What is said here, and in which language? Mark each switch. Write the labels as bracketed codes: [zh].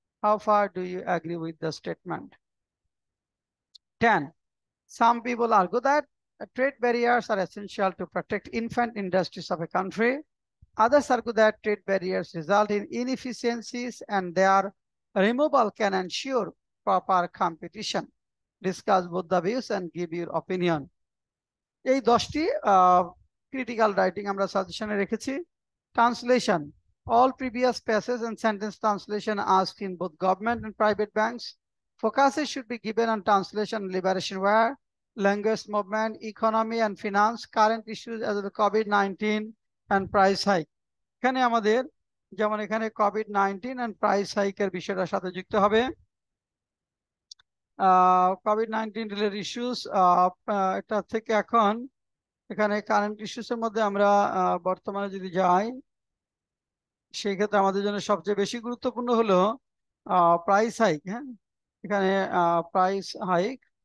[en] How far do you agree with the statement? 10, some people argue that trade barriers are essential to protect infant industries of a country. Others argue that trade barriers result in inefficiencies and their removal can ensure proper competition. Discuss both the views and give your opinion. [bn] এই 10টি critical writing আমরা suggestion এ রেখেছি. [en] Translation. All previous passages and sentence translation asked in both government and private banks. Focuses should be given on translation, liberation war, language movement, economy and finance, current issues as the COVID-19 and price hike. [bn] এখানে আমাদের যেমন এখানে [en] COVID-19 and price hike [bn] এর বিষয়টার সাথে যুক্ত হবে COVID-19 related issues এটা থেকে এখন এখানে কারেন্ট ইস্যুস এর মধ্যে আমরা বর্তমানে যদি যাই সেই ক্ষেত্রে আমাদের জন্য সবচেয়ে বেশি গুরুত্বপূর্ণ হলো প্রাইস হাইক হ্যাঁ এখানে প্রাইস হাইক